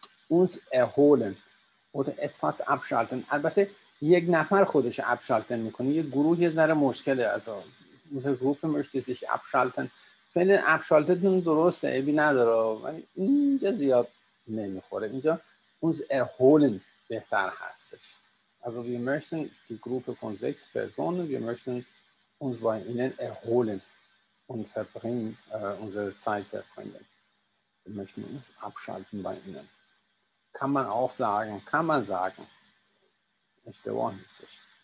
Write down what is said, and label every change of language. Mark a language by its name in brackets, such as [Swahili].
[German] uns erholen oder etwas abschalten. [Persian] البته یک نفر خودش abschalten میکنه. یک گروه یه ذره مشکله. [German] Also unsere Gruppe möchte sich abschalten. Wenn er abschaltet, dann [Persian] درست ایبی نداره. اینجا زیاد نمیخوره. اینجا [German] uns erholen [Persian] بهتر هستش. [German] Also wir möchten die Gruppe von 6 Personen, wir möchten uns bei ihnen erholen und verbringen unsere Zeit verbringen. Wir möchten uns abschalten bei ihnen. Kann man auch sagen, kann man sagen. Ist der Wohnsitz.